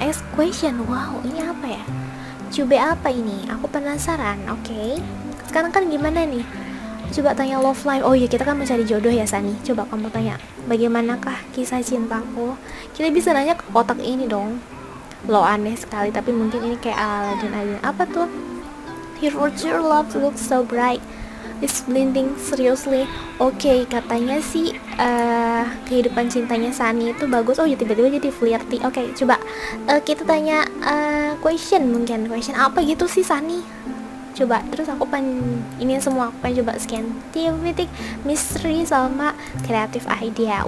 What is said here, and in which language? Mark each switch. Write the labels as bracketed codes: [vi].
[id] Exquisition. Wow, ini apa ya? Cube apa ini? Aku penasaran. Oke. Sekarang kan gimana nih? Coba tanya [en] love life. [id] Oh iya, kita kan mencari jodoh ya, Sunny. Coba kamu tanya, bagaimanakah kisah cintaku? Kita bisa nanya ke kotak ini dong. Lo aneh sekali, tapi mungkin ini kayak Aladdin. Apa tuh? [en] Your future love looks so bright. It's blinding, seriously. [id] Oke, katanya sih kehidupan cintanya Sunny itu bagus. Oh ya, tiba-tiba jadi flirty. Oke, coba kita tanya question mungkin. Question apa gitu sih Sunny? Coba, terus aku ini semua aku pengen coba [en] scientific mystery [id] sama [en] creative idea.